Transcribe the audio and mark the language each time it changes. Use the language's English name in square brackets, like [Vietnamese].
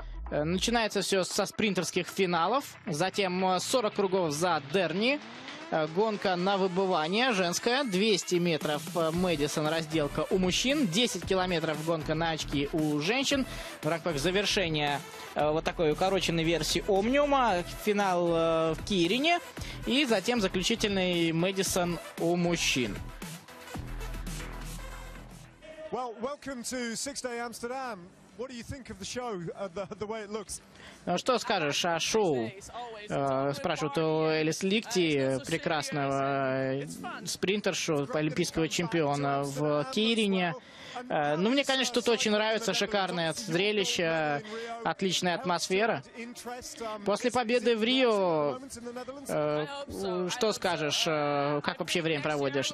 [Russian] Начинается все со спринтерских финалов, затем 40 кругов за Дерни, гонка на выбывание женская, 200 метров Мэдисон, разделка у мужчин, 10 километров гонка на очки у женщин. В рамках завершения вот такой укороченной версии Омниума, финал в Кирине и затем заключительный Мэдисон у мужчин. [English] Well, welcome to Six Day Amsterdam. What do you think of the show, the way it looks? [Russian] Что скажешь о шоу? Спрашивают у Элис Ликти, прекрасного спринтершу, олимпийского чемпиона в Кирине. Ну, мне, конечно, тут очень нравится, шикарное зрелище, отличная атмосфера. После победы в Рио, что скажешь, как вообще время проводишь?